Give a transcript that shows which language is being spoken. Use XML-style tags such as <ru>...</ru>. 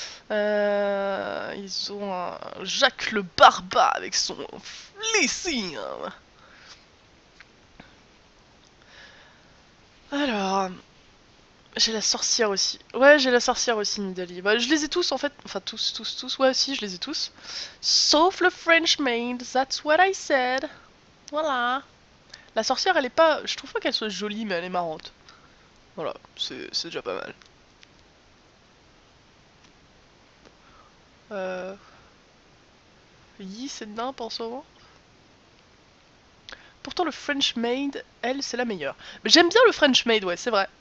<fr>Ils ont un Jacques le Barbat avec son Lissing. Alors, j'ai la sorcière aussi. Ouais, j'ai la sorcière aussi, Nidalee. Bah, je les ai tous en fait. Enfin, tous, tous, tous. Ouais, si, je les ai tous. Sauf le</fr> <en>French Maid, that's what I said.</en> <fr>Voilà. La sorcière, elle est pas. Je trouve pas qu'elle soit jolie, mais elle est marrante. Voilà, c'est déjà pas mal. Yi, c'est nimp en ce moment. Pourtant, le French Maid, elle, c'est la meilleure. Mais j'aime bien le French Maid, ouais, c'est vrai.</fr>